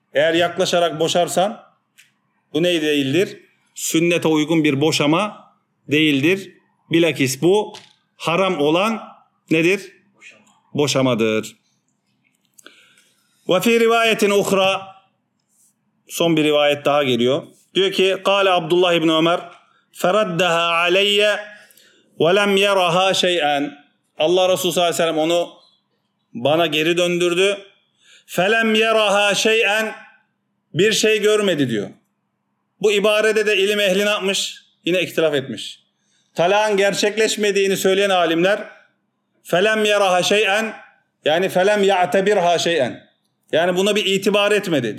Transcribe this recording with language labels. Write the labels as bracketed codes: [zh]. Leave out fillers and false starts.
[tr] Eğer yaklaşarak boşarsan, bu ne değildir? Sünnete uygun bir boşama değildir. Bilakis bu haram olan nedir? Boşamadır. [ar] Ve fi rivayetin uhra, [tr] son bir rivayet daha geliyor. Diyor ki, [ar] قال Abdullah İbni Ömer, فَرَدَّهَا عَلَيَّ وَلَمْ يَرَهَا شَيْئًا. [tr] Allah Resulü sallallahu aleyhi ve sellem onu bana geri döndürdü. [ar] فَلَمْ يَرَهَا شَيْئًا. [tr] Bir şey görmedi diyor. Bu ibarede de ilim ehli ne yapmış? Yine ihtilaf etmiş. Talağın gerçekleşmediğini söyleyen alimler, [ar] فَلَمْ يَرَهَا شَيْئًا, [tr] yani [ar] فَلَمْ يَعْتَبِرْهَا شَيْئًا, [tr] yani buna bir itibar etmedi.